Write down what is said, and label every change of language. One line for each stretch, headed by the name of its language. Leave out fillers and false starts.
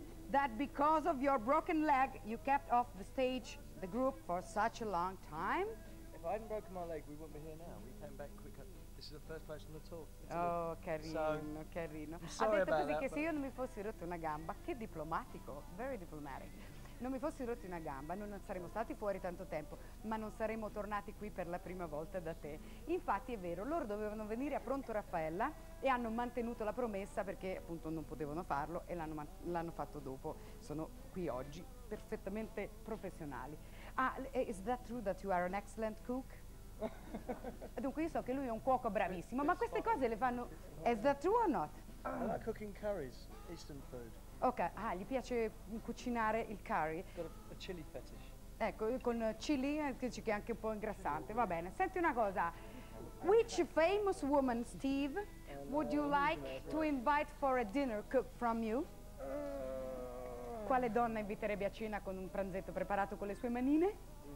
English: That because of your broken leg, you kept off the stage, the group, for such a long time? If I hadn't broken my leg, we wouldn't be here now. We came back quicker. This is the first place on the tour.
Italian: Oh, carino, so, carino.
English: Sorry
Italian: ha detto
English: about
Italian: così
English: that,
Italian: che se io non mi fossi rotto una gamba, che diplomatico,
English: very diplomatic.
Italian: Non mi fossi rotto una gamba, noi non saremmo stati fuori tanto tempo, ma non saremmo tornati qui per la prima volta da te. Infatti è vero, loro dovevano venire a Pronto Raffaella e hanno mantenuto la promessa perché appunto non potevano farlo e l'hanno fatto dopo. Sono qui oggi, perfettamente professionali.
English: Ah, is that true that you are an excellent cook?
Italian: Dunque io so che lui è un cuoco bravissimo, ma queste cose le fanno...
English: Is that true or not? I like cooking curries, eastern food.
Italian: Ok, ah, gli piace cucinare il curry.
English: A chili fetish.
Italian: Ecco, con chili, che è anche un po' ingrassante. Va bene, senti una cosa.
English: Which famous woman, Steve, would you like to invite for a dinner cooked from you?
Italian: Quale donna inviterebbe a cena con un pranzetto preparato con le sue manine?